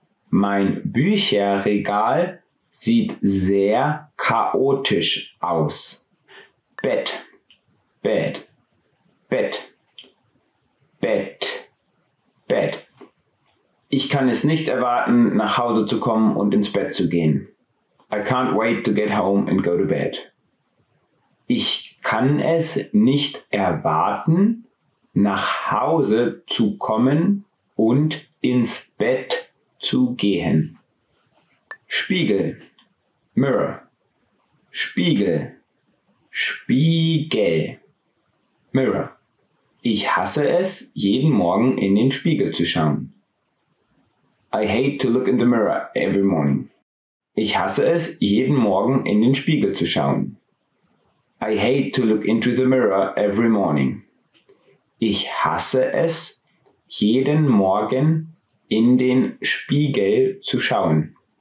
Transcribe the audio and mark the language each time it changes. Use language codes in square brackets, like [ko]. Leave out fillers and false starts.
[de] Mein Bücherregal sieht sehr chaotisch aus. Bett. Bed. Bett. Bett. Bett. Ich kann es nicht erwarten, nach Hause zu kommen und ins Bett zu gehen. [en] I can't wait to get home and go to bed. [de] Ich kann es nicht erwarten, nach Hause zu kommen und ins Bett zu gehen. Spiegel. Mirror. Spiegel. Spiegel. Mirror. Ich hasse es, jeden Morgen in den Spiegel zu schauen. [en] I hate to look in the mirror every morning. [de] Ich hasse es, jeden Morgen in den Spiegel zu schauen. [en] I hate to look into the mirror every morning. [de] Ich hasse es, jeden Morgen in den Spiegel zu schauen.